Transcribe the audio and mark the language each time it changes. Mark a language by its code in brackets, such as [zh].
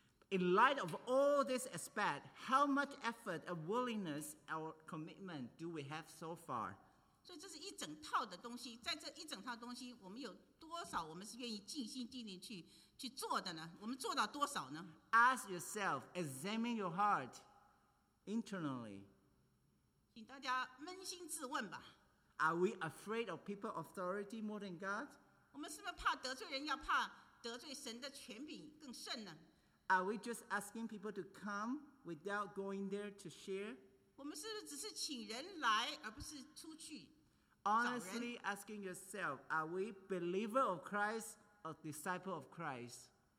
[en] In light of all this aspect, how much effort or willingness or commitment do we have so far? [zh] 所以这是一整套的东西，在这一整套东西， 我们有多少， 我们是愿意尽心尽力去做的呢？我们做到多少呢？ [en] Ask yourself, examine your heart internally. [zh] 请大家扪心自问吧。 [en] Are we afraid of people's authority more than God? [zh] 我们是不是怕得罪人，要怕得罪神的权柄更甚呢？ [en] Are we just asking people to come without going there to share? [zh] 我们是不是只是请人来而不是出去？ [en] Honestly asking yourself, are we believer of Christ or disciple of Christ?